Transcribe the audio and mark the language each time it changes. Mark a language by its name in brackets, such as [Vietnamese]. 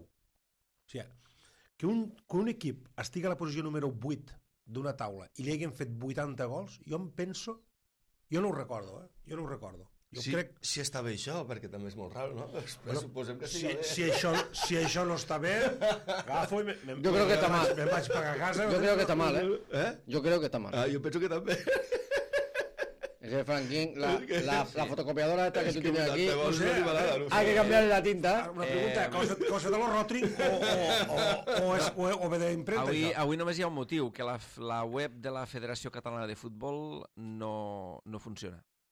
[Catalan] O sigui, que un equip estigui a la posició número 8 d'una taula i li haguin fet 80 gols, jo em penso... Jo no ho recordo, eh? Jo no ho recordo. Jo si, crec... si està bé això, perquè també és molt raro, no? Però suposem que si, bé. Si això no està bé, agafo i me'n vaig pagar a casa. Jo crec que està mal, eh? Jo crec que està mal. Jo penso que també... [Spanish] Es que Franklin, la fotocopiadora esta que tu tienes aquí, hay que cambiar la tinta. Una pregunta, ¿cosa de los Rotring o ve de imprenta? [Catalan] Avui només hi ha un motiu, que la web de la Federació Catalana de Futbol no funciona.